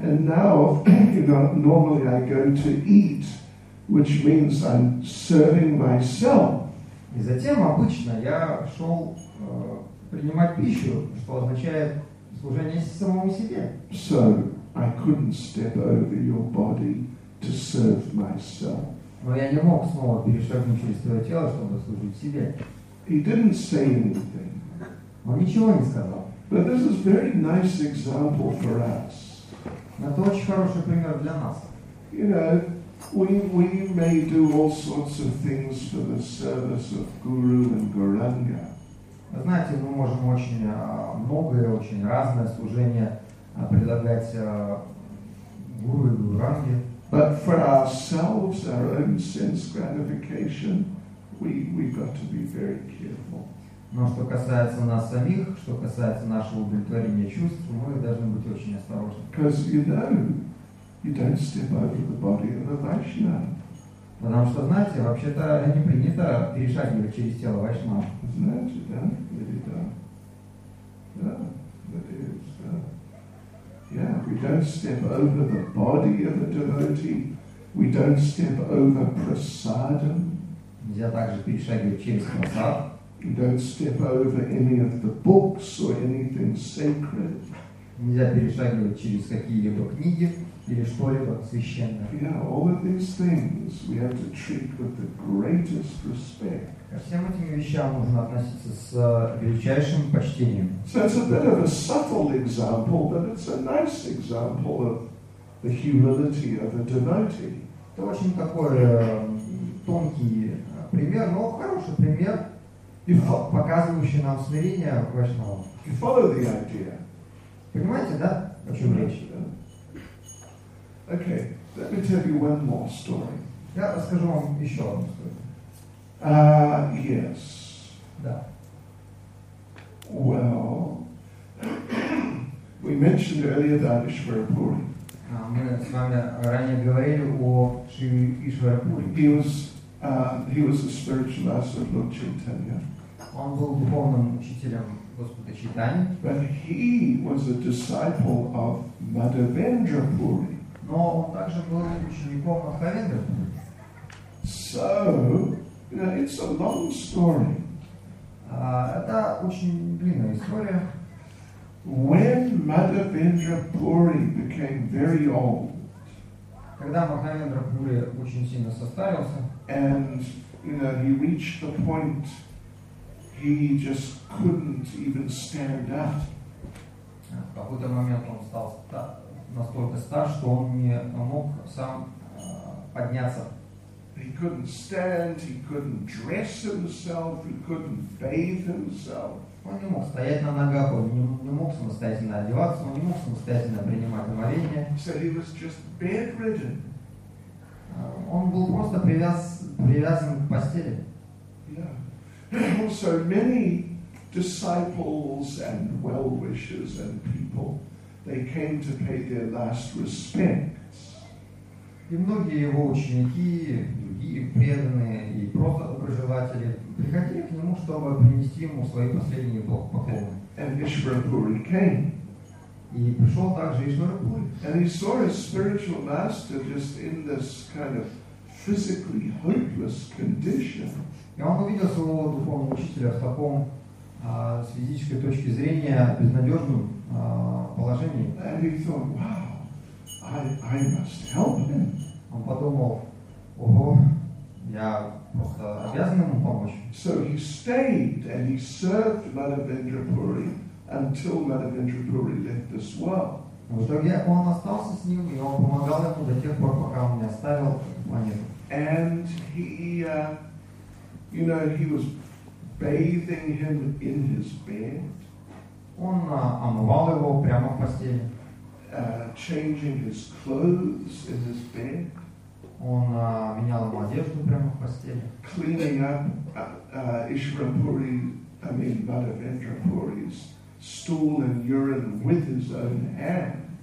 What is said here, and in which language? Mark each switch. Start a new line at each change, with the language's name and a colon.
English: And now, you know, normally I go to eat. Which means I'm serving myself.
Russian: И затем обычно я шел принимать пищу, что означает служение самому себе.
English: So I couldn't step over your body to serve myself.
Russian: Но я не мог снова перешагнуть через твое тело, чтобы служить себе.
English: He didn't say anything.
Russian: Он ничего не сказал.
English: But this is a very nice example for us.
Russian: Это очень хороший пример для нас.
English: You know, We may do all sorts of things for the service of Guru and Gauranga.
Russian: Знаете, мы можем очень многое, очень разное служение предлагать Гуру и Гауранге.
English: But for ourselves, our own sense gratification, we got to be very careful.
Russian: Но что касается нас самих, что касается нашего удовлетворения чувств, мы должны быть очень осторожны.
English: Because you know. You don't step over the body of a Vaishnava.
Russian: Потому что, знаете, вообще-то не принято перешагивать через тело Вайшнава. Знаете, да? Или да? Да, это
English: is,
Russian: да.
English: Yeah, we don't step over the body of a devotee. We don't step over prasadam.
Russian: Нельзя также перешагивать через прасад.
English: We don't step over any of the books or anything sacred.
Russian: Нельзя перешагивать через какие-либо книги. Или что-либо священное.
English: Yeah, all of these things we have to treat with the greatest respect.
Russian: Ко всем этим вещам нужно относиться с величайшим почтением.
English: So it's a bit of a subtle example, but it's a nice example of the humility of a devotee.
Russian: Это очень такой тонкий пример, но хороший пример, показывающий нам смирение Вайшнава.
English: You follow the idea.
Russian: Понимаете, да? О чем речь?
English: Okay, let me tell you one more story.
Russian: Я расскажу вам еще одну историю.
English: Yes.
Russian: Да.
English: Well, we mentioned earlier that Ishvara Puri.
Russian: Мы с вами ранее говорили о Шри Ишвара Пури.
English: He was a spiritual master of Lord Chaitanya.
Russian: Он был духовным учителем Господа Чайтаньи.
English: But he was a disciple of Madhavendra Puri.
Russian: Но он также был учеником Махавендры.
English: So, you know, it's a long story.
Russian: Это очень длинная история.
English: When Madhavendra Puri became very old,
Russian: когда Махавендра Пури очень сильно состарился,
English: and you know, he reached the point he just couldn't even stand up.
Russian: В какой-то момент он стал настолько стар, что он не мог сам подняться.
English: He couldn't stand, he couldn't dress himself, he couldn't bathe himself.
Russian: Он не мог стоять на ногах, он не мог самостоятельно одеваться, он не мог самостоятельно принимать омовение.
English: So he was just bedridden.
Russian: Он был просто привязан к постели.
English: Yeah. Also, many disciples and well-wishers and people, they came to pay their last respects.
Russian: И многие его ученики, другие преданные и просто доброжелатели приходили к нему, чтобы принести ему свои последние поклоны.
English: And Ишварапури came.
Russian: И пришел также Ишварапури.
English: And he saw his spiritual master just in this kind of physically hopeless condition.
Russian: И он увидел своего духовного учителя в таком с физической точки зрения безнадежном положении.
English: And he thought, wow, I must help him.
Russian: Он подумал, ого, я просто обязан ему помочь.
English: So he stayed and he served Madhavendra Puri until Madhavendra Puri left this world.
Russian: В итоге он остался с ним, и он помогал ему до тех пор, пока он не оставил планету.
English: And he, you know, he was bathing him in his bed.
Russian: Он омывал его прямо в постели.
English: Changing his clothes in his bed.
Russian: Он менял ему одежду прямо в постели.
English: Cleaning up Madhavendra Puri's stool and urine with his own hand.